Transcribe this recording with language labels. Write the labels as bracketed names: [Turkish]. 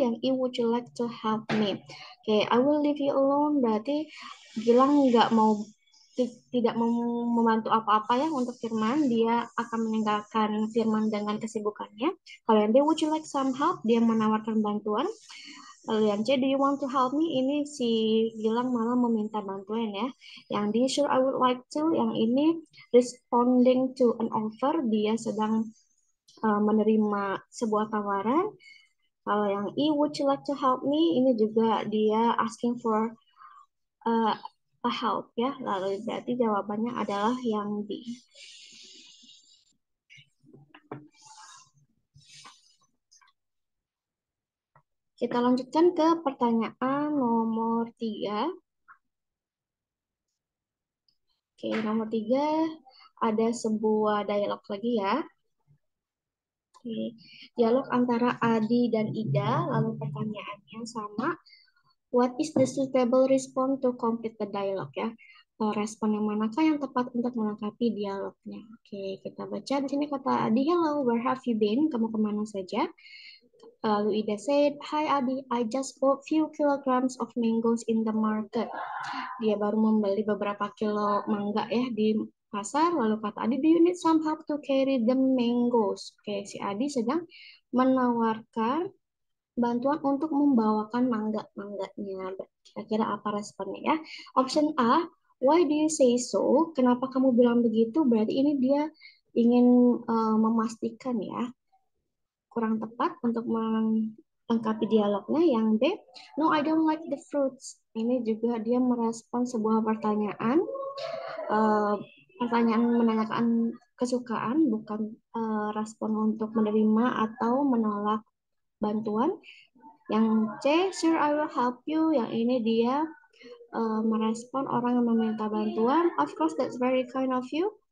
[Indonesian] Yang E, [English] would you like to help me? Okay, I will leave you alone. [Indonesian] Berarti Gilang nggak mau, tidak mau membantu apa-apa ya untuk Firman. Dia akan meninggalkan Firman dengan kesibukannya. Kalau yang D, [English] would you like some help? [Indonesian] Dia menawarkan bantuan. Lalu yang C, [English] do you want to help me? [Indonesian] Ini si Gilang malah meminta bantuan ya. Yang D, [English] sure I would like to. [Indonesian] Yang ini [English] responding to an offer. [Indonesian] Dia sedang menerima sebuah tawaran. Kalau yang E, [English] would you like to help me? [Indonesian] Ini juga dia [English] asking for a help [Indonesian] ya. Lalu berarti jawabannya adalah yang B. Kita lanjutkan ke pertanyaan nomor 3. Oke, nomor 3 ada sebuah dialog lagi ya. Oke, dialog antara Adi dan Ida, lalu pertanyaannya sama. [English] What is the suitable response to complete the dialogue ya? [Indonesian] Respon yang manakah yang tepat untuk melengkapi dialognya? Oke, kita baca di sini kata Adi, [English] "Hello, where have you been? [Indonesian] Kamu kemana saja?" [English] Lalu Ida said, "Hi Adi, I just bought few kilograms of mangoes in the market." [Indonesian] Dia baru membeli beberapa kilo mangga ya di pasar. Lalu kata Adi, [English] "Do you need some help to carry the mangoes?" [Indonesian] Oke, si Adi sedang menawarkan bantuan untuk membawakan mangga-mangganya. Kira-kira apa responnya ya? [English] Option A, "Why do you say so?" [Indonesian] Kenapa kamu bilang begitu? Berarti ini dia ingin memastikan ya, kurang tepat untuk melengkapi dialognya. Yang B, [English] no, I don't like the fruits. [Indonesian] Ini juga dia merespon sebuah pertanyaan. Pertanyaan menanyakan kesukaan, bukan respon untuk menerima atau menolak bantuan. [English] Yang C, sure, I will help you. [Indonesian] Yang ini dia merespon orang yang meminta bantuan. [English] Of course, that's very kind of you.